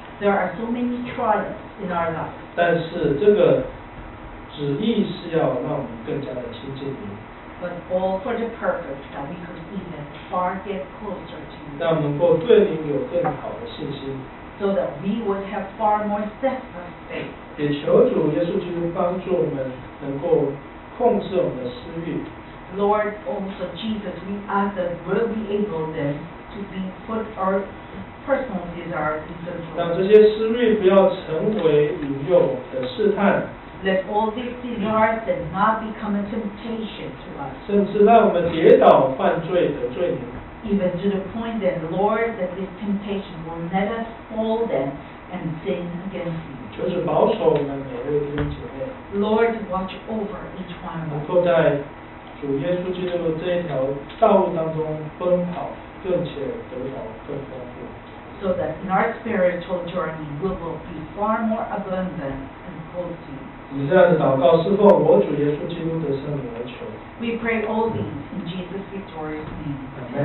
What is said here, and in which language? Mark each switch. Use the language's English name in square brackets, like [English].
[English] There are so many trials in our life. [Chinese] 但是这个旨意是要让我们更加的亲近你。 [English] But all for the purpose that we could even far get closer to you. [Chinese] 让我们能够对您有更好的信心。 [English] So that we would have far more steadfast faith. [Chinese] 也求主耶稣基督帮助我们能够控制我们的私欲。 [English] Lord, also Jesus, we ask that we'll be able then to be put our personal desires in control. [Chinese] 让这些私欲不要成为引诱的试探。 [English] Let all these desires then not become a temptation to us. [Chinese] 甚至让我们跌倒犯罪得罪你。 [English] Even to the point that, Lord, that this temptation will let us fall then and sin against you. [Chinese] 就是保守我们每位弟兄姐妹。 [English] Lord, watch over each one of us. [Chinese] 能够在主耶稣基督的这一条道路当中奔跑，并且得着更丰富。 [English] So that in our spiritual journey, we will be far more abundant and close to you. [Chinese] 以这样的祷告，是奉我主耶稣基督的圣名而求。 [English] We pray all these in Jesus' victorious name.